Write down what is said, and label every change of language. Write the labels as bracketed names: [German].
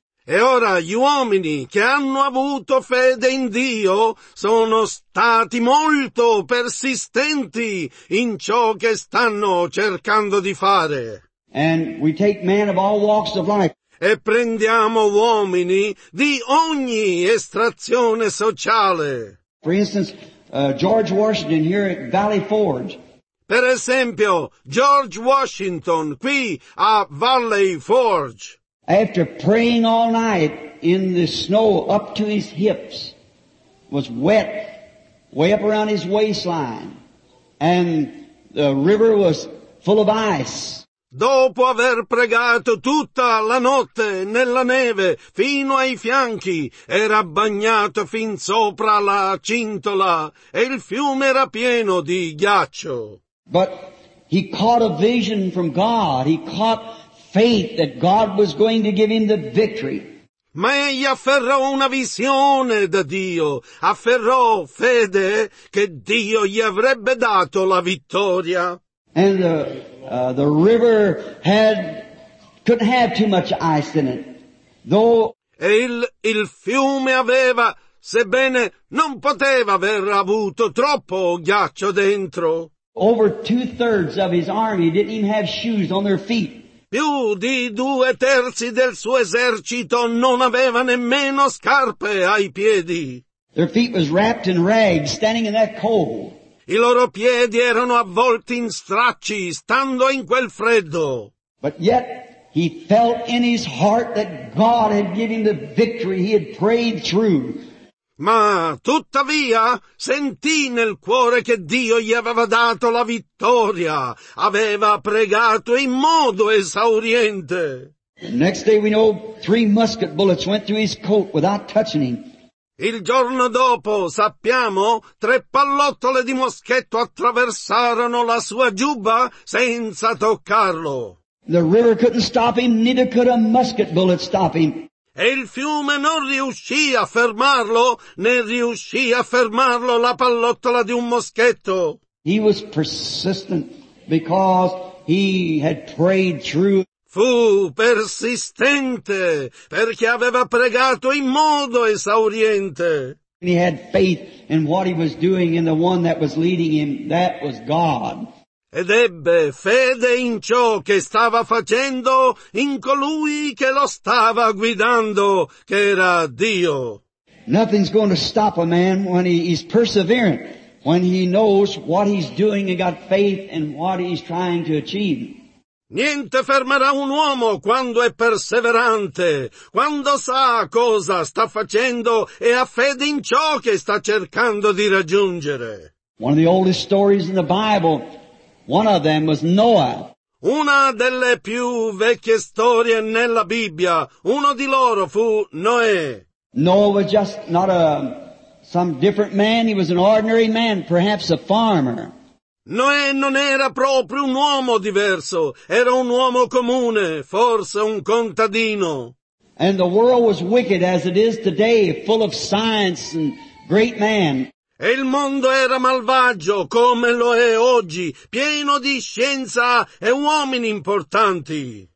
[Italian] E ora gli uomini che hanno avuto fede in Dio sono stati molto persistenti in ciò che stanno cercando di fare. [English] And we take man of all walks of life. [Italian] E prendiamo uomini di ogni estrazione sociale. [English] For instance, George Washington here at Valley Forge. [Italian] Per esempio, George Washington qui a Valley Forge. [English] After praying all night in the snow up to his hips, was wet way up around his waistline, and the river was full of ice. [Italian] Dopo aver pregato tutta la notte nella neve fino ai fianchi, era bagnato fin sopra la cintola e il fiume era pieno di ghiaccio. [English] But he caught a vision from God. He caught faith that God was going to give him the victory. [Italian] Ma egli afferrò una visione da Dio, afferrò fede che Dio gli avrebbe dato la vittoria. [English] And the river couldn't have too much ice in it, though. [Italian] E il fiume aveva, sebbene non poteva aver avuto troppo ghiaccio dentro. [English] Over 2/3 of his army didn't even have shoes on their feet. [Italian] Più di 2/3 del suo esercito non aveva nemmeno scarpe ai piedi. [English] Their feet was wrapped in rags, standing in that cold. [Italian] I loro piedi erano avvolti in stracci, stando in quel freddo. [English] But yet he felt in his heart that God had given him the victory he had prayed through. [Italian] Ma tuttavia sentì nel cuore che Dio gli aveva dato la vittoria. Aveva pregato in modo esauriente. [English] The next day we know 3 musket bullets went through his coat without touching him. [Italian] Il giorno dopo, sappiamo, 3 pallottole di moschetto attraversarono la sua giubba senza toccarlo. [English] The river couldn't stop him, neither could a musket bullet stop him. [Italian] E il fiume non riuscì a fermarlo, né riuscì a fermarlo la pallottola di un moschetto. [English] He was persistent because he had prayed through. [Italian] Fu persistente perché aveva pregato in modo esauriente. [English] He had faith in what he was doing, in the one that was leading him. That was God. [Italian] ed ebbe fede in ciò che stava facendo, in colui che lo stava guidando, che era Dio. [English] Nothing's going to stop a man when he's perseverant, when he knows what he's doing and got faith in what he's trying to achieve. [Italian] Niente fermerà un uomo quando è perseverante, quando sa cosa sta facendo e ha fede in ciò che sta cercando di raggiungere. [English] One of the oldest stories in the Bible, one of them was Noah. [Italian] Una delle più vecchie storie nella Bibbia, uno di loro fu Noè. [English] Noah was just not some different man, he was an ordinary man, perhaps a farmer. [Italian] Noè non era proprio un uomo diverso, era un uomo comune, forse un contadino. [English] And the world was wicked as it is today, full of science and great man. [Italian] E il mondo era malvagio come lo è oggi, pieno di scienza e uomini importanti.